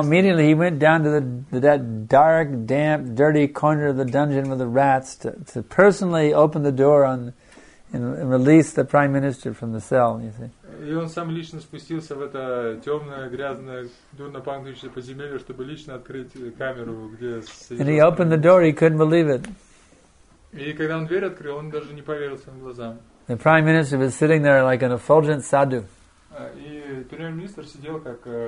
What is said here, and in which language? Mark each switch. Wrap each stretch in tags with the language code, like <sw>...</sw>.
<en>So immediately he went down to that dark, damp, dirty corner of the dungeon with the rats to personally open the door on and release the prime minister from the cell, you see.</en> <ru>И он сам лично спустился в это темное, грязное, дурно пахнущее подземелье, чтобы лично открыть камеру, где...</ru> <en>And he opened the door, he couldn't believe it.</en> <ru>И когда он дверь открыл, он даже не поверил своим глазам.</ru> <en>The prime minister was sitting there like an effulgent sadhu.</en> <ru>И премьер-министр сидел как...</ru>